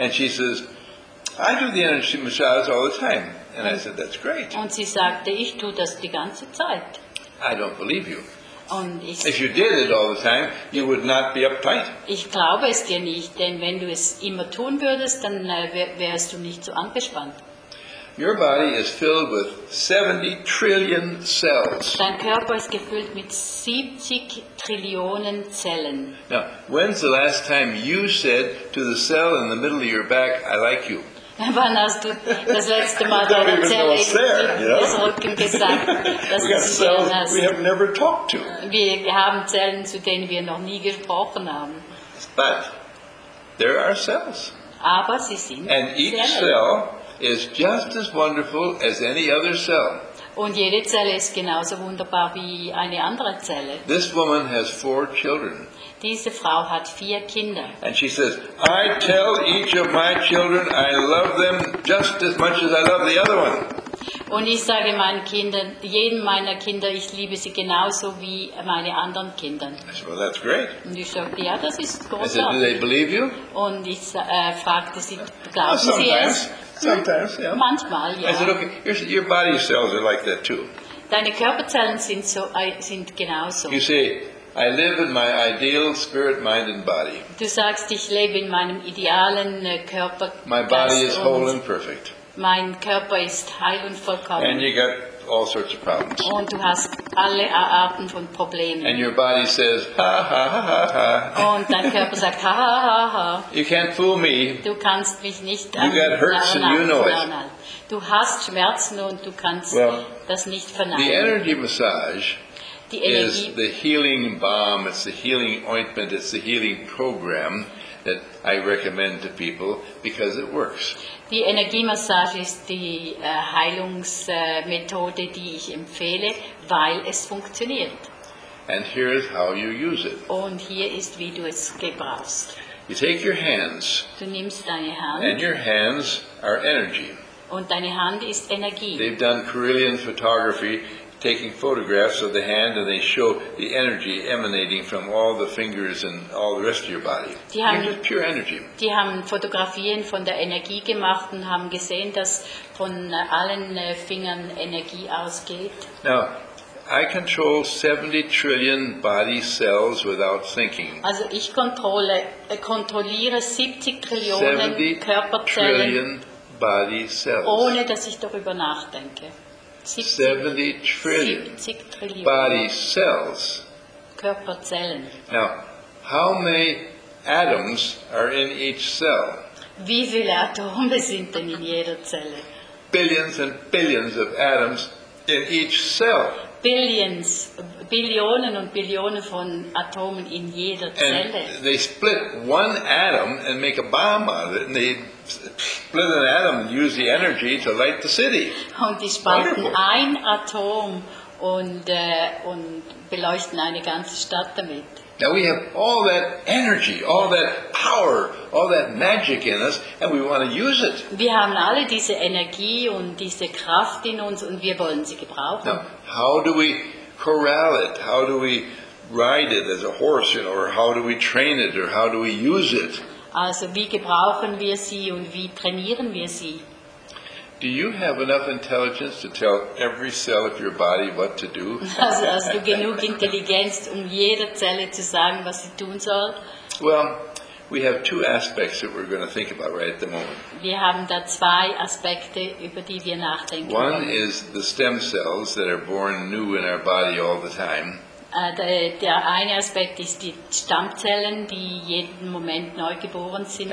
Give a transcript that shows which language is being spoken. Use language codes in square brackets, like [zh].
[en] And she says, I do the energy massage all the time. And I said, that's great. [de] Und sie sagte, ich tue das die ganze Zeit. [en] I don't believe you. [de] Und ich, [en] if you did it all the time, you would not be uptight. [de] Ich glaube es dir nicht, denn wenn du es immer tun würdest, dann wärst du nicht so angespannt. [en] Your body is filled with 70 trillion cells. [de] Dein Körper ist gefüllt mit 70 Trillionen Zellen. [en] Now, when's the last time you said to the cell in the middle of your back, I like you? [de] Wann hast du das letzte Mal deine Zelle ins Rücken gesagt, dass du sie gern hast? [en] We have never talked to. [de] Wir haben Zellen, zu denen wir noch nie gesprochen haben. [en] But there are cells. [de] Aber sie sind Zellen. [en] And each cell is just as wonderful as any other cell. [de] Und jede Zelle ist genauso wunderbar wie eine andere Zelle. [en] This woman has 4 children. [de] Diese Frau hat 4 Kinder. [en] And she says, I tell each of my children I love them just as much as I love the other one. [de] Und ich sage meinen Kindern, jedem meiner Kinder, ich liebe sie genauso wie meine anderen Kinder. [en] I said, well, that's great. [de] Und ich sagte, ja, das ist großartig. [en] I said, do they believe you? [de] Und ich fragte sie, glauben sie es? [en] Sometimes, yeah. [de] Manchmal, ja. [en] I said, okay, your body cells are like that too. [de] Deine Körperzellen sind so, sind genauso. [en] You see, I live in my ideal spirit, mind and body. [de] Du sagst, ich lebe in meinem idealen Körper. [en] My body is whole and perfect. [de] Mein Körper ist heil und vollkommen. [en] And you got all sorts of problems. [de] Und du hast alle Arten von Problemen. [en] And your body says, ha ha ha ha. [de] Und dein Körper sagt, ha ha ha ha. [en] You can't fool me. [de] Du kannst mich nicht [en] an. You got hurts and you know it. [de] Du hast Schmerzen und du kannst das nicht verneinen. [en] The energy massage is the healing balm, it's the healing ointment, it's the healing program that I recommend to people because it works. [de] Die Energiemassage ist die Heilungsmethode, die ich empfehle, weil es funktioniert. [en] And here is how you use it. [de] Und hier ist, wie du es gebrauchst. [en] You take your hands. [de] Du nimmst deine Hand. [en] And your hands are energy. [de] Und deine Hand ist Energie. [en] They've done Carillion photography, taking photographs of the hand, and they show the energy emanating from all the fingers and all the rest of your body. [de] Die haben, [en] it's pure energy. [de] Die haben Fotografien von der Energie gemacht und haben gesehen, dass von allen Fingern Energie ausgeht. [en] Now, I control 70 trillion body cells without thinking. [de] Also ich kontrolliere 70 Trillionen Körperzellen. [en] Trillion body cells. [de] Ohne dass ich darüber nachdenke. [en] 70 trillion body cells. [de] Körperzellen. [en] Now, how many atoms are in each cell? [de] Wie viele Atome sind denn in jeder Zelle? [en] Billions and billions of atoms in each cell. [de] Billions, Billionen und Billionen von Atomen in jeder Zelle. [en] And they split one atom and make a bomb out of it, and they split an atom and use the energy to light the city. [de] Und die spalten ein Atom und beleuchten eine ganze Stadt damit. [en] Now we have all that energy, all that power, all that magic in us, and we want to use it. [de] Wir haben alle diese Energie und diese Kraft in uns und wir wollen sie gebrauchen. [en] Now, how do we corral it? How do we ride it as a horse, you know, or how do we train it, or how do we use it? [de] Also, wie gebrauchen wir sie und wie trainieren wir sie? [en] Do you have enough intelligence to tell every cell of your body what to do? [de] Also, hast du genug Intelligenz, um jeder Zelle zu sagen, was sie tun soll? [en] Well, we have two aspects that we're going to think about right at the moment. [de] Wir haben da zwei Aspekte, über die wir nachdenken. [en] One is the stem cells that are born new in our body all the time. [de] Der eine Aspekt ist die Stammzellen, die jeden Moment neu geboren sind